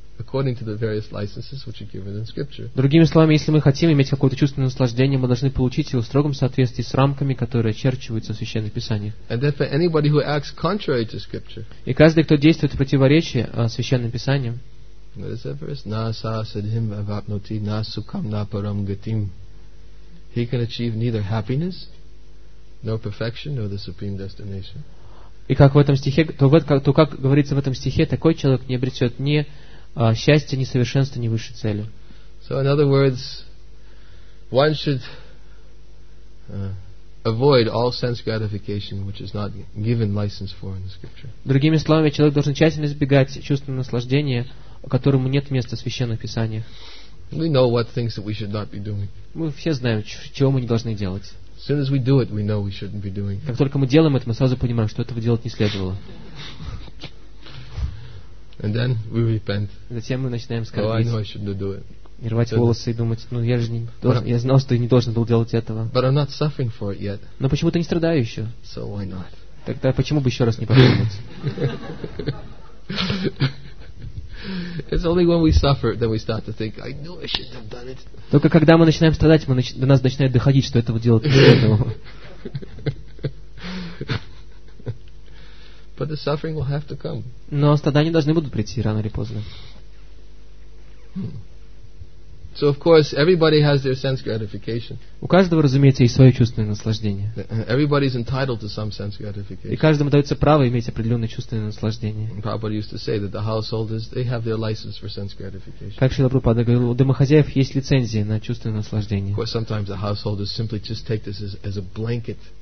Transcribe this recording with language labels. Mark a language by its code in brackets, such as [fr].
[en] According to the various licenses, which are given in Scripture. [ru] Другими словами, если мы хотим иметь какое-то чувственное наслаждение, мы должны получить его в строгом соответствии с рамками, которые очерчиваются в Священных Писаниях. [en] And therefore, anybody who acts contrary to Scripture. [ru] И каждый, кто действует в противоречии Священным Писаниям. [en] What is that verse? [sa] Na sa sadhim avapnoti na sukham na param gatim. [en] He can achieve neither happiness, nor perfection, nor the supreme destination. [ru] И как в этом стихе, то как говорится в этом стихе, такой человек не обретет ни счастье, ни совершенство, ни высшей цели. [en] So in other words, one should avoid all sense gratification which is not given license for in the scripture. [ru] Другими словами, человек должен тщательно избегать чувственного наслаждения, которому нет места в Священных Писаниях. [en] We know what things that we should not be doing. [ru] Мы все знаем, чего мы не должны делать. [en] As soon as we do it, we know we shouldn't be doing. [ru] Как только мы делаем это, мы сразу понимаем, что этого делать не следовало. [en] And then we repent. [ru] Затем мы начинаем скорбить. И рвать волосы и думать, ну я же не должен, я знал, что я не должен был делать этого. [en] But I'm not suffering for it yet. [ru] Но почему-то не страдаю еще. [en] So why not? [ru] Тогда почему бы еще раз не попробовать? [en] It's only when we suffer that we start to think, I knew I shouldn't have done it. [ru] Только когда мы начинаем страдать, до нас начинает доходить, что этого делать не следовало. [en] But the suffering will have to come. [ru] Но страдания должны будут прийти рано или поздно. [en] So of course everybody has their sense gratification. [ru] У каждого, разумеется, есть свое чувственное наслаждение. [en] Everybody is entitled to some sense gratification. [ru] И каждому дается право иметь определенное чувственное наслаждение. [en] Prabhupada used to say that the householders they have their license for sense gratification. [ru] Как Шрила Прабхупада говорил, у домохозяев есть лицензия на чувственное наслаждение. [en] Of course, sometimes the householders simply just take this as a blanket.